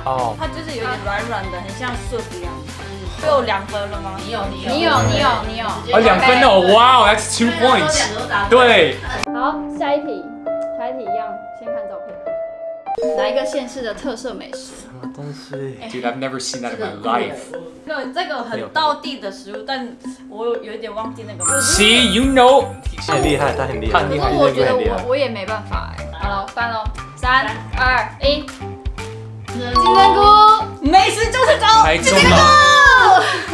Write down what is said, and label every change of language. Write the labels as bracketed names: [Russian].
[Chinese] 哦，它就是有点软软的，很像素一样。都有2分了吗？你有，你有，你有，你有。哦，2分哦，哇哦 ， [English] That's 2 points。 [Chinese] 对。好，下一题，下一题一样，先看照片。哪一个县市的特色美食？什么东西 [English] ？Dude, I've never seen that in my life。 [Chinese] 这个很道地的食物，但我有一点忘记那个。 [English] See, you know。 [Chinese] 很厉害，他很厉害，他很厉害，我觉得我也没办法哎。好了，翻喽，3、2、1。金针菇，美食就是高。台中啊。